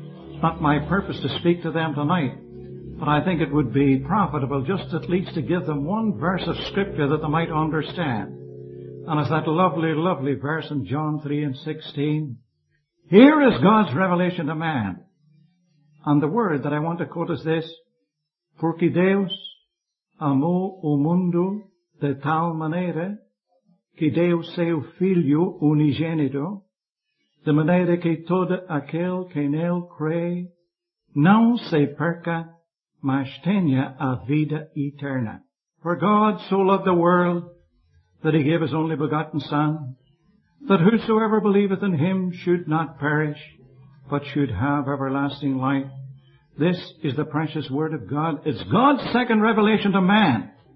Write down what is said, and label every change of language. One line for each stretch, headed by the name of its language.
English: It's not my purpose to speak to them tonight, but I think it would be profitable just at least to give them one verse of scripture that they might understand. And as that lovely, lovely verse in John 3 and 16, here is God's revelation to man. And the word that I want to quote is this,
Portuguese: porque Deus amó o mundo de tal manera que deu seu filho unigênito, de maneira que todo aquele que nele crê não se perca, mas tenha a vida eterna.
English: For God so loved the world that he gave his only begotten Son, that whosoever believeth in him should not perish, but should have everlasting life. This is the precious word of God. It's God's second revelation to man.